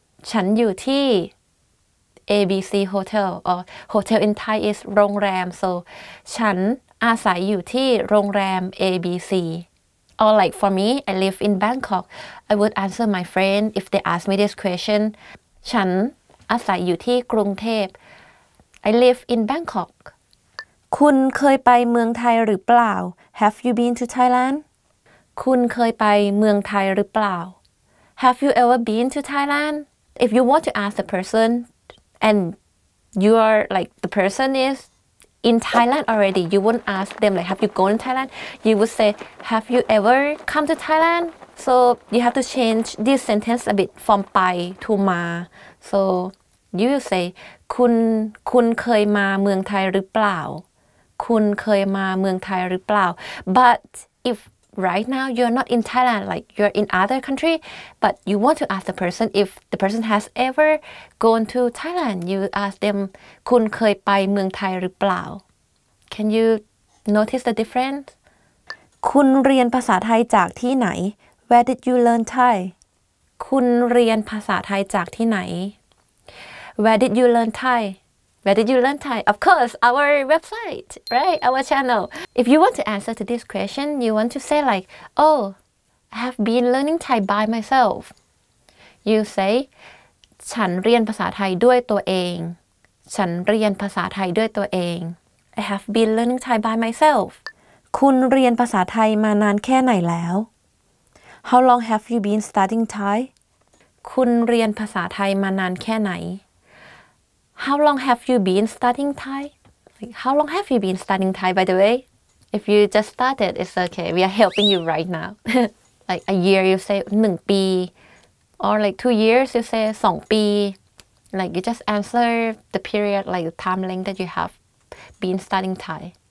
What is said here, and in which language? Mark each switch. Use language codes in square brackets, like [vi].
[th] ฉันอยู่ที่ABC [en] Hotel or Hotel in Thai is โรงแรม so [th] ฉันอาศัยอยู่ที่โรงแรม ABC [en] or like for me I live in Bangkok I would answer my friend if they ask me this question [th] ฉันอาศัยอยู่ที่กรุงเทพ [en] I live in Bangkok [th] คุณเคยไปเมืองไทยหรือเปล่า [en] Have you been to Thailand [th] คุณเคยไปเมืองไทยหรือเปล่า [en] Have you ever been to Thailand If you want to ask the personAnd you are like the person is in Thailand already. You won't ask them like, have you gone to Thailand? You would say, have you ever come to Thailand? So you have to change this sentence a bit from ไป to มา So you will say [th] คุณเคยมาเมืองไทยหรือเปล่าคุณเคยมาเมืองไทยหรือเปล่า [en] But if right now you're not in Thailand like you're in other country but you want to ask the person if the person has ever gone to Thailand you ask them [th] คุณเคยไปเมืองไทยหรือเปล่า [en] Can you notice the difference [th] คุณเรียนภาษาไทยจากที่ไหน [en] Where did you learn Thai [th] คุณเรียนภาษาไทยจากที่ไหน [en] Where did you learn ThaiWhere did you learn Thai? Of course, our website, right? Our channel. If you want to answer to this question, you want to say like, Oh, I have been learning Thai by myself. [th] You say, ฉันเรียนภาษาไทยด้วยตัวเอง ฉันเรียนภาษาไทยด้วยตัวเอง [en] I have been learning Thai by myself. [th] คุณเรียนภาษาไทยมานานแค่ไหนแล้ว [en] How long have you been studying Thai? [th] คุณเรียนภาษาไทยมานานแค่ไหน [en] How long have you been studying Thai? How long have you been studying Thai, by the way? If you just started, it's okay. We are helping you right now. like a year, you say 1 ปี. Or like 2 years, you say 2 ปี. Like you just answer the period, like the time length that you have been studying Thai.